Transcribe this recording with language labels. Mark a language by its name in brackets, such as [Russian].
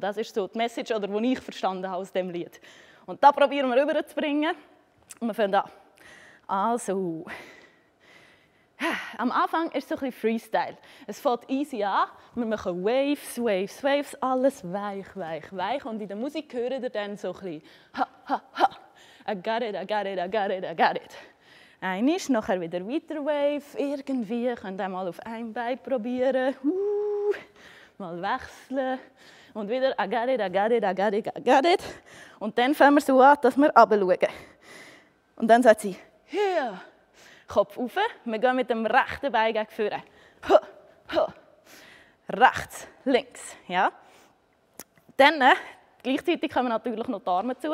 [German] Das ist so die Message, oder die ich verstanden habe aus diesem Lied. Und das probieren wir rüberzubringen. Und wir fangen an. Also, am Anfang ist es so ein bisschen Freestyle. Es fängt easy an. Wir machen Waves, Waves, Waves. Alles weich, weich, weich. Und in der Musik hört ihr dann so ein bisschen. [English] Ha, ha, ha. I got it, I got it, I got it, I got it. [German] Einmal, nachher wieder weiter Wave. Irgendwie könnt ihr mal auf ein Bein probieren. Mal wechseln. Und wieder, [English] I got it, I got it, I got it, I got it. [German] Und dann fangen wir so an, dass wir runterschauen. Und dann sagt sie, hier, Kopf rauf. Wir gehen mit dem rechten Bein gegen vorne. Ha, ha. Rechts, links. Ja. Dann, gleichzeitig kommen natürlich noch die Arme zu.